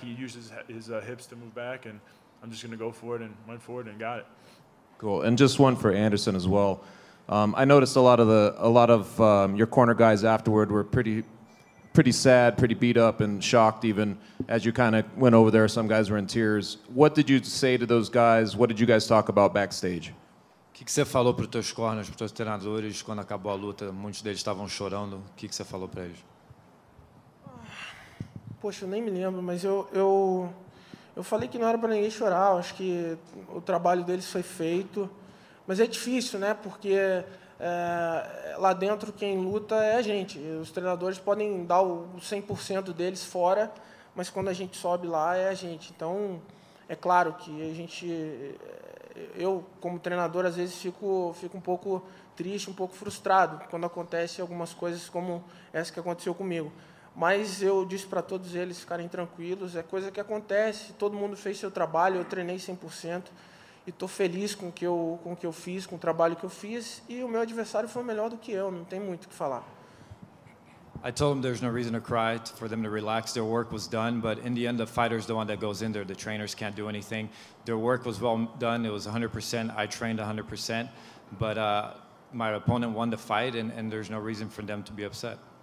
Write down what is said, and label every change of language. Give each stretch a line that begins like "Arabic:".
English: He used his hips to move back, and I'm just going to go for it, and went for it and got it. Cool, and just one for Anderson as well. I noticed a lot of your corner guys afterward were pretty sad, pretty beat up, and shocked. Even as you kind of went over there, some guys were in tears. What did you say to those guys? What did you guys talk about backstage?
Portuguese: O que você falou para os teus corners, para os teus treinadores, quando acabou a luta? Muitos deles estavam chorando. O que você falou para eles? Poxa, nem me lembro, mas eu falei que não era para ninguém chorar, acho que o trabalho deles foi feito. Mas é difícil, né? Porque lá dentro quem luta é a gente. Os treinadores podem dar o 100% deles fora, mas quando a gente sobe lá é a gente. Então, é claro que a gente... Eu, como treinador, às vezes fico um pouco triste, um pouco frustrado quando acontecem algumas coisas como essa que aconteceu comigo. Mas eu disse para todos eles ficarem tranquilos, é coisa que acontece, todo mundo fez seu trabalho, eu treinei 100% e estou feliz com o que eu fiz, com o trabalho que eu fiz, e o meu adversário foi melhor do que eu, não tem muito o que falar.
English: I told them there's no reason to cry, for them to relax. Their work was done, but in the end, the fighter's the one that goes in there. The trainers can't do anything. Their work was well done. It was 100%. I trained 100%, but my opponent won the fight, and there's no reason for them to be upset.